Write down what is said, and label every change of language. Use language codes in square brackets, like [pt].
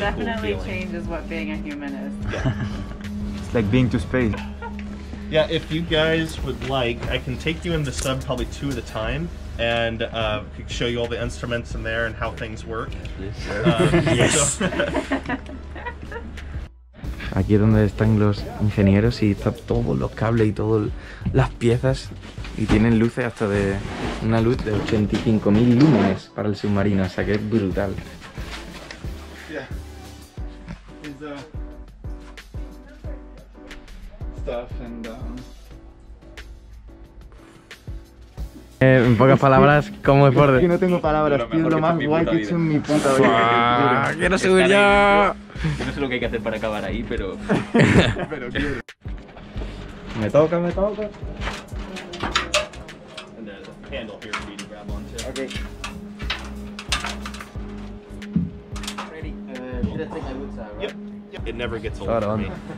[en] definitely cool feeling. Definitely changes what being a human is. Yeah. It's like being to space. Yeah, if you guys would like, I can take you in the sub probably two at a time, and could show you all the instruments in there and how things work. Yes. Yes. [es] Aquí donde están los ingenieros y está todos los cables y todas las piezas, y tienen luces hasta de una luz de 85.000 lúmenes para el submarino, o sea que es brutal. En pocas palabras, ¿cómo es por dentro? Es que no tengo palabras, tío, lo más guay que he hecho en mi puta vida. ¡Quiero subir ya! No sé lo que hay que hacer para acabar ahí, pero... pero quiero. Me toca. [en] And there's a handle here for you to grab onto. Okay. It never gets old for me.